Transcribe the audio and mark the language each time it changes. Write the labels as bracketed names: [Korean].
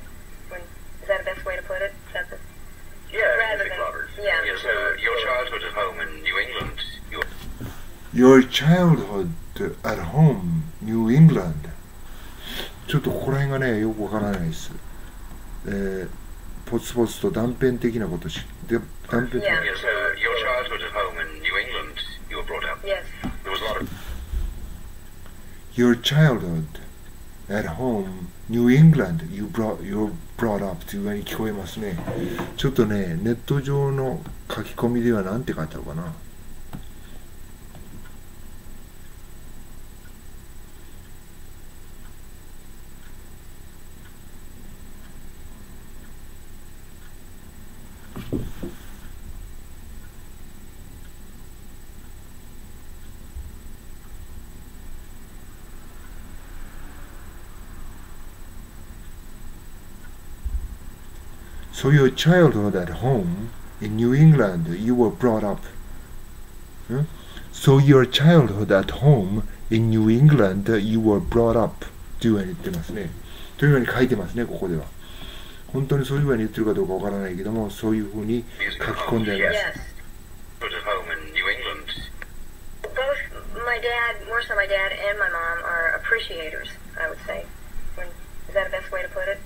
[English] Is that the best way to put it? Is that the... Yeah, rather music lovers. Yeah. Yes, your childhood at home in New England, you were... Your childhood at home, New England. [Japanese] ちょっとここら辺がね、よくわからないです。ポツポツと断片的なことし、で断片的な。 [English] Yes, your childhood at home in New England, you were brought up. Yes. There was a lot of. Your childhood at home, New England, you brought up [Japanese] というふうに聞こえますね。ちょっとね、ネット上の書き込みではなんて書いてあるかな。 [English] So your childhood at home in New England, you were brought up.、Hmm? So your childhood at home in New England, you were brought up. [Japanese] というふうに言ってますね。というふうに書いてますね、ここでは。本当にそういうふうに言ってるかどうかわからないけども、そういうふうに書き込んでいます。 [English] Yes. But at home in New England. Both my dad, more so my dad and my mom are appreciators, I would say. Is that the best way to put it?